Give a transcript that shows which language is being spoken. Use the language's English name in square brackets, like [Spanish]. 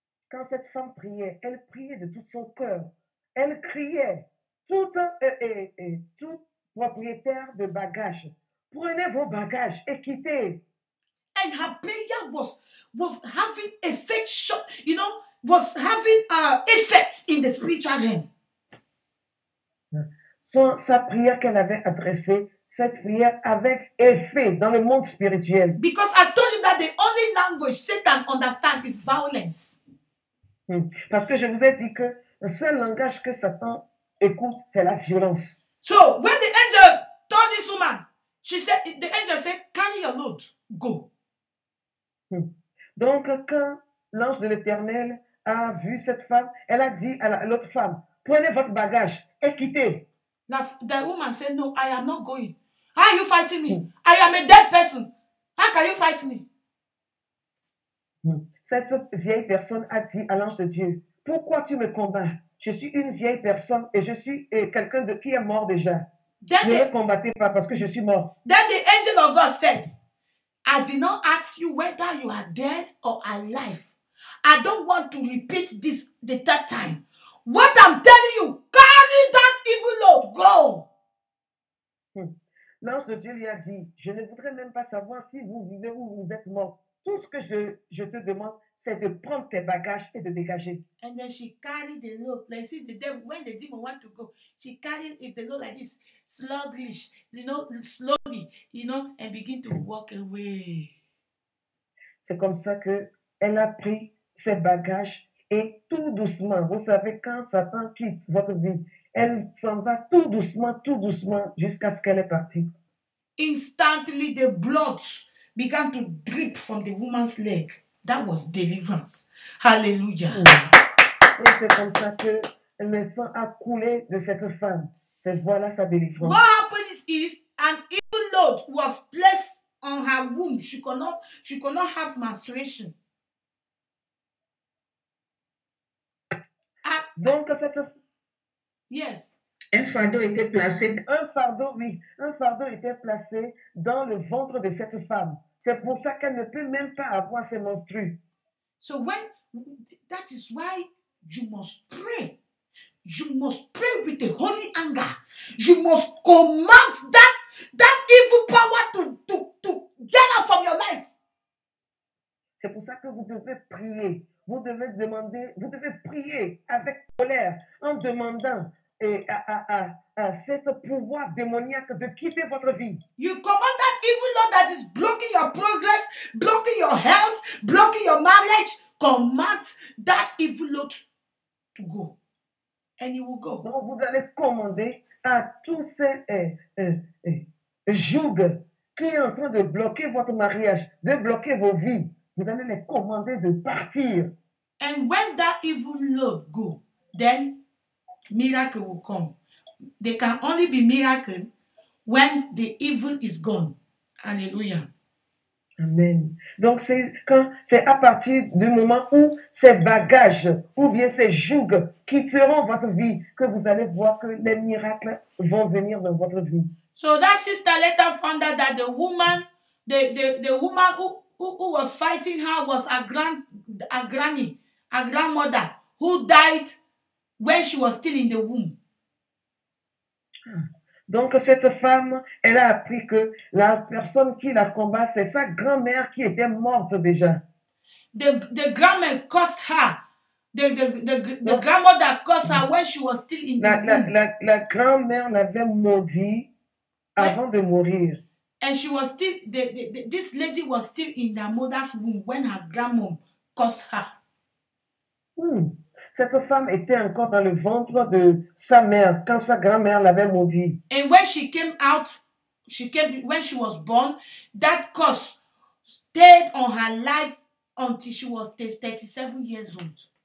[French] Quand cette femme priait, elle priait de tout son cœur. Elle criait, tout, tout propriétaire de bagages, prenez vos bagages et quittez. [English] And her prayer was having effect, you know, was having effect in the spiritual realm. [French] Sa prière qu'elle avait adressée, cette prière avait effet dans le monde spirituel. [English] Because I told you that the only language Satan understands is violence. [French] Parce que je vous ai dit que le seul langage que Satan écoute, c'est la violence. [English] So when the angel told this woman, she said, the angel said, carry your load, go. [French] Donc quand l'ange de l'Éternel a vu cette femme, elle a dit à l'autre femme, prenez votre bagage et quittez. [English] The woman said, no, I am not going. How are you fighting me? I am a dead person. How can you fight me? [French] Cette vieille personne a dit à l'ange de Dieu, pourquoi tu me combats? Je suis une vieille personne et je suis quelqu'un qui est mort déjà. Ne me combattez pas parce que je suis mort. [English] Then the angel of God said, I did not ask you whether you are dead or alive. I don't want to repeat this the third time. What I'm telling you, carry that evil load, go! [French] L'ange de Dieu lui a dit, je ne voudrais même pas savoir si vous vivez ou vous êtes morte. Tout ce que je te demande, c'est de prendre tes bagages et de dégager. [English] And then she carried the load. Like, see, the devil, when the demon wants to go, she carried it, the load like this, sluggish, you know, slowly, you know, and begin to walk away. [French] C'est comme ça qu'elle a pris ses bagages et tout doucement, vous savez, quand Satan quitte votre vie, elle s'en va tout doucement, jusqu'à ce qu'elle est partie. [English] Instantly, the blood began to drip from the woman's leg. That was deliverance. Hallelujah. [French] Et c'est comme ça que le sang a coulé de cette femme. C'est voilà sa délivrance. [English] What happened is an evil load was placed on her womb. She could not have menstruation. [French] Donc cette [English] yes. [French] Un fardeau était placé dans le ventre de cette femme. C'est pour ça qu'elle ne peut même pas avoir ses menstrues. [English] So when that is why you must pray. You must pray with the holy anger. You must command that evil power to get out from your life. [French] C'est pour ça que vous devez prier. Vous devez demander, vous devez prier avec colère en demandant à cet pouvoir démoniaque de quitter votre vie. [English] You command that evil lord that is blocking your progress, blocking your health, blocking your marriage, command that evil lord to go. And you will go. [French] Donc vous allez commander à tous ces jougs qui sont en train de bloquer votre mariage, de bloquer vos vies. Vous allez les commander de partir. [English] And when that evil load go, then miracle will come. There can only be miracle when the evil is gone. Hallelujah. Amen. [French] Donc c'est à partir du moment où ces bagages ou bien ces jougs quitteront votre vie que vous allez voir que les miracles vont venir dans votre vie. [English] So that sister later found out that the woman who was fighting her was a grandmother who died when she was still in the womb. [French] Donc cette femme, elle a appris que la personne qui la combat, c'est sa grand-mère qui était morte déjà. [English] The grandmother caused her. The grandmother caused her when she was still in the womb. [French] La grand-mère l'avait maudit avant de mourir. [English] And she was still this lady was still in her mother's womb when her grandmom caused her. [French] Cette femme était encore dans le ventre de sa mère quand sa grand-mère l'avait maudit. [English] And when she came out, she came when she was born, that curse stayed on her life until she was 37 years old.